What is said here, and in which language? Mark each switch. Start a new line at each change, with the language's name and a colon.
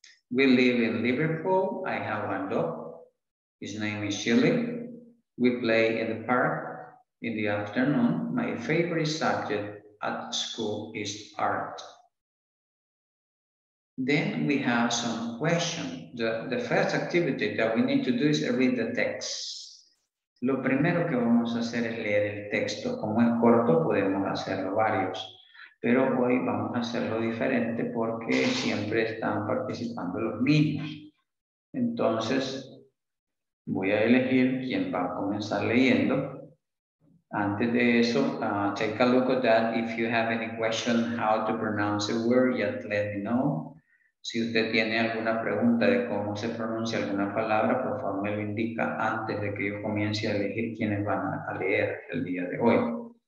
English: We live in Liverpool. I have one dog. His name is Chili. We play in the park in the afternoon. My favorite subject at school is art. Then we have some questions. The first activity that we need to do is read the text.
Spanish: Lo primero que vamos a hacer es leer el texto. Como es corto, podemos hacerlo varios. Pero hoy vamos a hacerlo diferente porque siempre están participando los niños. Entonces, voy a elegir quién va a comenzar leyendo. Antes de eso,
English: take a look at that. If you have any question how to pronounce a word, just let me know.
Spanish: Si usted tiene alguna pregunta de cómo se pronuncia alguna palabra, por favor me lo indica antes de que yo comience a elegir quiénes van a leer el día de hoy.